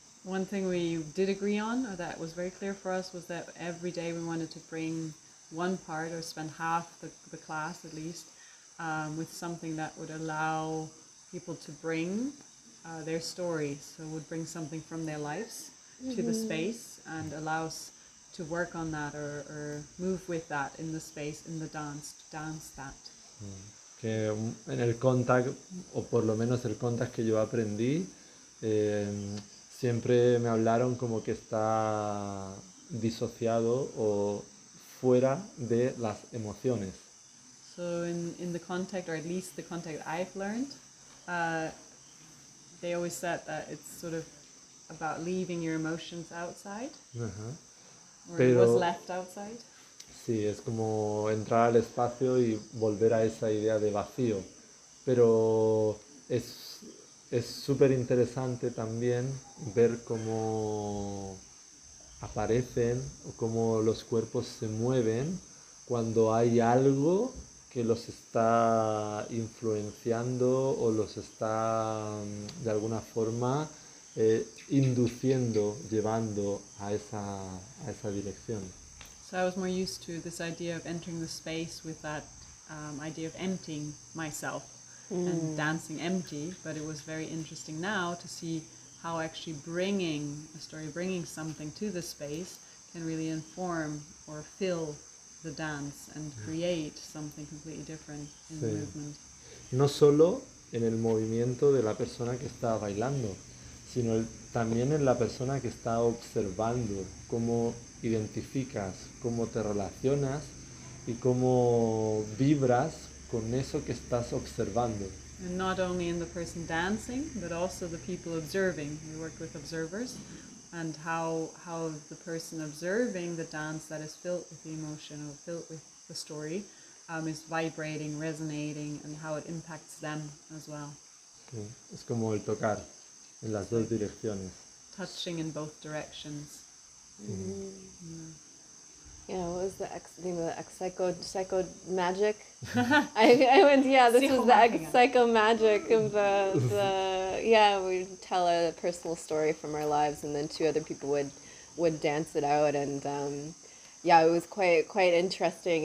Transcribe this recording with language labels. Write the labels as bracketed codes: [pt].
[en] One thing we did agree on, or that was very clear for us, was that every day we wanted to bring one part, or spend half the class at least, with something that would allow people to bring their stories. So would bring something from their lives to the space and allow us to work on that or move with that in the space, in the dance, to dance that. [es] Que en el contact, o por lo menos el contact que yo aprendí, siempre me hablaron como que está disociado o fuera de las emociones. [en] So in the contact, or at least the contact I've learned, they always said that it's sort of about leaving your emotions outside. [es] Pero, [en] or it was left outside. [es] Sí, es como entrar al espacio y volver a esa idea de vacío. Pero es súper interesante también ver cómo aparecen o cómo los cuerpos se mueven cuando hay algo que los está influenciando o los está de alguna forma induciendo, llevando a esa dirección. [en] So I was more used to this idea of entering the space with that idea of emptying myself and dancing empty, but it was very interesting now to see how actually bringing a story, bringing something to the space can really inform or fill the dance and create something completely different in the movement. [es] No solo en el movimiento de la persona que está bailando, sino también en la persona que está observando cómo identificas, cómo te relacionas y cómo vibras con eso que estás observando. [en] And not only in the person dancing, but also the people observing. We work with observers, and how the person observing the dance that is filled with the emotion or filled with the story is vibrating, resonating, and how it impacts them as well. [es] Sí, es como el tocar en las dos direcciones. [en] Touching in both directions. Mm-hmm. Yeah. What was the psycho magic? I went. Yeah, this was the psycho magic of we would tell a personal story from our lives, and then two other people would dance it out, and it was quite interesting.